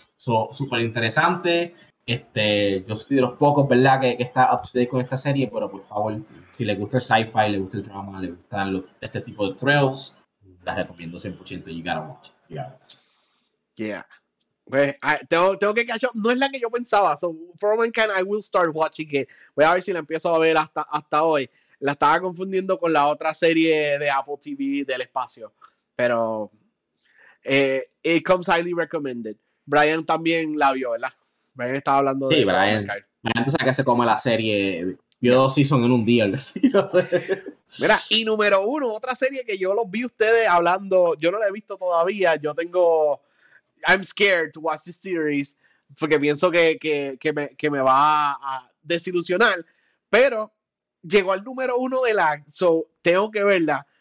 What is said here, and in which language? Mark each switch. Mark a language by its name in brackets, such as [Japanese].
[Spanish] So, súper interesante. Yo soy de los pocos, ¿verdad?, que está [English] up to date [Spanish] con esta serie, pero por favor, si le gusta el sci-fi, le gusta el drama, le gustan este tipo de thrills, las recomiendo 100%. [English] You gotta watch it. You gotta watch it. [Spanish] Pues, tengo que [English] catch up. [Spanish] No es la que yo pensaba. [English] So, for a moment, I will start watching it. [Spanish] Voy a ver si la empiezo a ver hasta hoy. La estaba confundiendo con la otra serie de Apple TV del espacio. Pero [English] it comes highly recommended. [Spanish] Brian también la vio, ¿verdad? Brian estaba hablando Sí, de For a Moment. Brian. Brian, tú sabes que se come la serie. Vio dos seasons en un día, sí, no sé. Mira, y número uno, otra serie que yo los vi ustedes hablando. Yo no la he visto todavía. Yo tengo. [English] I'm scared to watch this series [Spanish] porque pienso que me va a desilusionar, pero llegó al número uno de la, so tengo que verla.